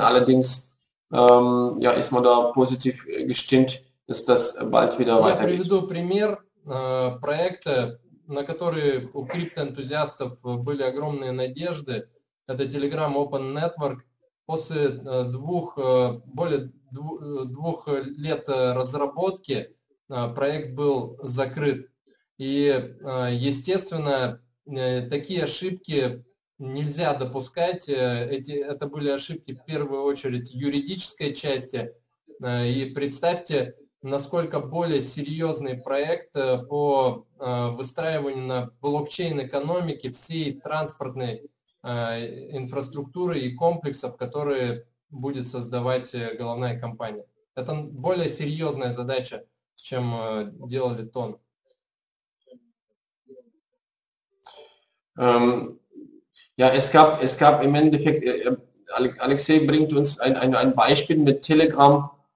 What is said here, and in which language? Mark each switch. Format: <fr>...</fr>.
<de>Allerdings ja, ist man da positiv gestimmt, dass das bald wieder weitergeht.</de> <ru>Я приведу пример проекта, на который у криптоэнтузиастов были огромные надежды. Это Telegram Open Network. После более двух лет разработки проект был закрыт. И, естественно, такие ошибки нельзя допускать. Это были ошибки в первую очередь юридической части. И представьте, насколько более серьезный проект по выстраиванию на блокчейн экономики всей транспортной инфраструктуры и комплексов, которые будет создавать головная компания. Это более серьезная задача, чем делали Тон.</ru> <de>Ja, es gab im Endeffekt, Alexei bringt uns ein Beispiel mit Telegram.</de>